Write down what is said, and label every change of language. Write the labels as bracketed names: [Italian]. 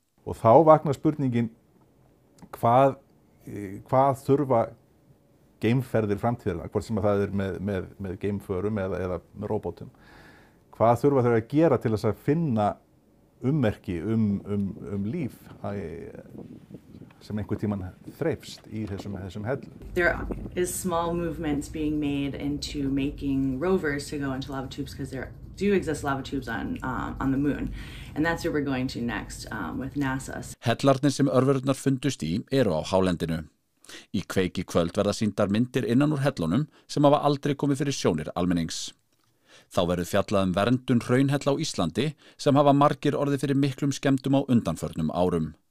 [Icelandic] Og þá vaknar spurningin hvað þurfa geimferðir framtíðarinnar, hvort sem það með geimförum eða með róbótum. Hvað þurfa þeir að gera til þess að finna ummerki um líf sem einhver tíman þreifst í þessum hellum. [English] There is small movements being made into making rovers to go into lava tubes because there do exist lava tubes on the moon. And that's where we're going to next with NASA. [Icelandic] Hellarnir sem örverurnar fundust í eru á hálendinu. Í kveiki kvöld verða sýndar myndir innan úr hellunum sem hafa aldrei komið fyrir sjónir almennings. Þá verður fjallað verndun hraunhella á Íslandi sem hafa margir orðið fyrir miklum skemmdum á undanförnum árum.